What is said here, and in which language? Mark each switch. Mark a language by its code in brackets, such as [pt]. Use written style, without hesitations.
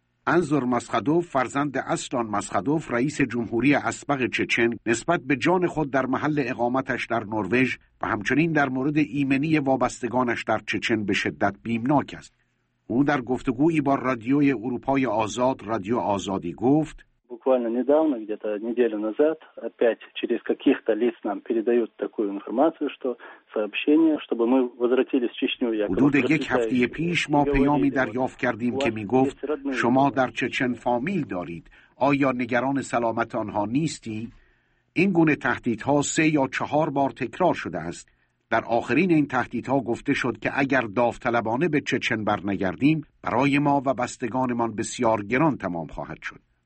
[fa] انزور مسخادوف، فرزند اسلان مسخادوف، رئیس جمهوری اسبق چچن، نسبت به جان خود در محل اقامتش در نروژ و همچنین در مورد ایمنی وابستگانش در چچن به شدت بیمناک است. او در گفتگویی با رادیوی اروپای آزاد، رادیو آزادی گفت: [ru] буквально недавно где-то неделю назад опять через каких-то лиц нам передают такую информацию что сообщение чтобы мы возвратились в Чечню якобы. [fa] حدود یک هفته پیش ما پیامی دریافت کردیم که میگفت شما در چچن فامیل دارید، آیا نگران سلامت آنها نیستی؟ این گونه تهدیدها 3 یا 4 بار تکرار شده است. در آخرین این تهدیدها گفته شد که اگر داوطلبانه به چچن برنگردیم برای ما و بستگانمان بسیار گران تمام خواهد شد.